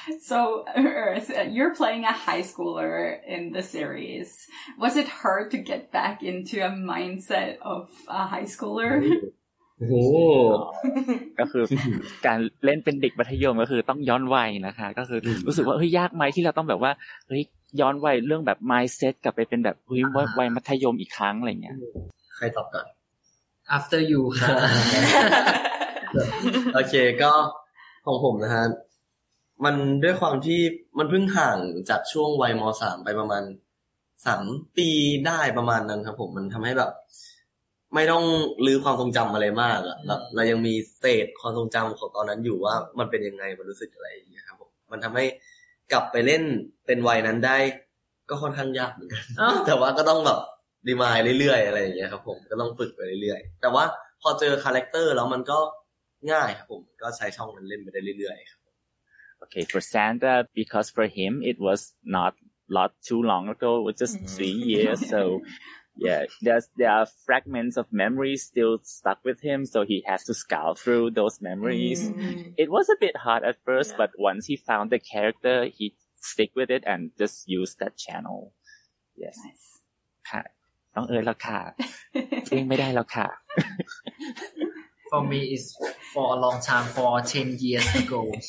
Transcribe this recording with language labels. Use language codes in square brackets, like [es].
[en] So, Earth, you're playing a high schooler in the series. Was it hard to get back into a mindset of a high schooler? [th] โอ้ ก็คือการเล่นเป็นเด็กมัธยมก็คือต้องย้อนวัยนะคะก็คือรู้สึกว่าเฮ้ยยากไหมที่เราต้องแบบว่าเฮ้ยย้อนวัยเรื่องแบบ mindset กลับไปเป็นแบบเฮ้ยวัยมัธยมอีกครั้งอะไรเงี้ย ใครตอบก่อน [en] after you ค่ะ [th] โอเคก็ของผมนะฮะมันด้วยความที่มันเพิ่งห่างจากช่วงวัยม.3ไปประมาณ 3ปีได้ประมาณนั้นครับผมมันทำให้แบบไม่ต้องลืมความทรงจำอะไรมากอะเรายังมีเศษความทรงจำของตอนนั้นอยู่ว่ามันเป็นยังไงมันรู้สึกอะไรอย่างเงี้ยครับผมมันทำให้กลับไปเล่นเป็นวัยนั้นได้ก็ค่อนข้างยากเหมือนกันแต่ว่าก็ต้องแบบรีมายเรื่อยๆอะไรอย่างเงี้ยครับผมก็ต้องฝึกไปเรื่อยๆแต่ว่าพอเจอคาแรคเตอร์แล้วมันก็ง่ายครับผมก็ใช้ช่องนั้นเล่นไปได้เรื่อยๆครับโ [en] อเค for Santa because for him it was not lot too long ago it was just 3 years soYeah, there are fragments of memories still stuck with him, so he has to scour through those memories. It was a bit hard at first, but once he found the character, he stick with it and just use that channel. Yes. Nice. [th] น้องเอ๋ยแล้วค่ะ ยิ่งไม่ได้แล้วค่ะ [en] For me, it's for a long time, for 10 years ago.